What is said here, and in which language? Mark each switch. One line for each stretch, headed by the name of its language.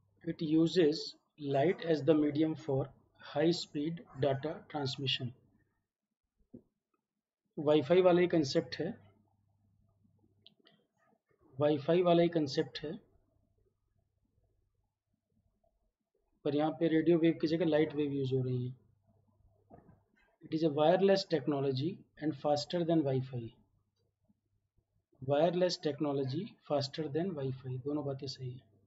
English: It uses light as the medium for high speed data transmission.
Hindi: Wi-Fi वाला ही concept है. Wi-Fi वाला ही concept है. पर यहाँ पे radio wave की जगह light wave use हो रही है.
English: It is a wireless technology and faster than Wi-Fi. Wireless technology faster than Wi-Fi.
Hindi: दोनों बातें सही है.